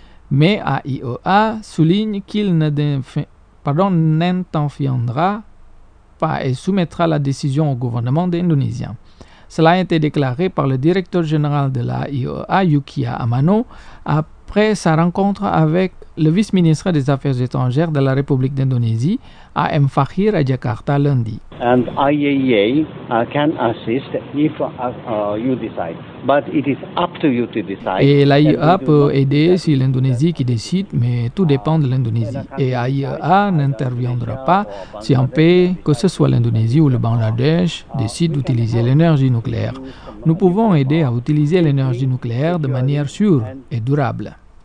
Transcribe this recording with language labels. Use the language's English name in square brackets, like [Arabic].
[French] Mais AIEA souligne qu'il n'interviendra pas et soumettra la décision au gouvernement indonésien. Cela a été déclaré par le directeur général de l'AIEA, Yukiya Amano, après sa rencontre avec le vice-ministre des Affaires étrangères de la République d'Indonésie, A.M. Fakhir, à Jakarta lundi. [English] And IAEA can assist if you decide, but it is up to you to decide. [French] Et l'AIEA peut aider si l'Indonésie qui décide, mais tout dépend de l'Indonésie. Et l'AIEA n'interviendra pas si un pays, que ce soit l'Indonésie ou le Bangladesh, décide d'utiliser l'énergie nucléaire. Nous pouvons aider à utiliser l'énergie nucléaire de manière sûre et durable.